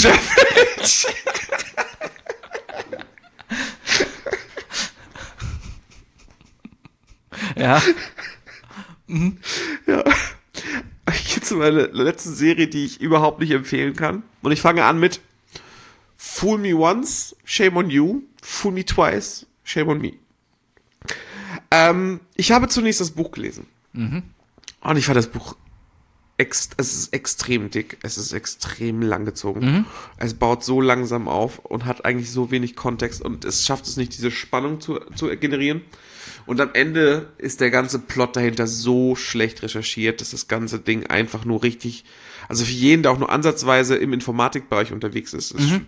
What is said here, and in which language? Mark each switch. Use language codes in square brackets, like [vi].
[en] Ginger Bridge. [de] Ja. Mhm. Ja. Ich gehe zu meiner letzten Serie, die ich überhaupt nicht empfehlen kann. Und ich fange an mit [en] Fool me once, shame on you. Fool me twice, shame on me. [de] Ich habe zunächst das Buch gelesen. Mhm. Und ich fand das Buch, es ist extrem dick, es ist extrem langgezogen. Mhm. Es baut so langsam auf und hat eigentlich so wenig Kontext und es schafft es nicht, diese Spannung zu generieren. Und am Ende ist der ganze Plot dahinter so schlecht recherchiert, dass das ganze Ding einfach nur richtig, also für jeden, der auch nur ansatzweise im Informatikbereich unterwegs ist, mhm.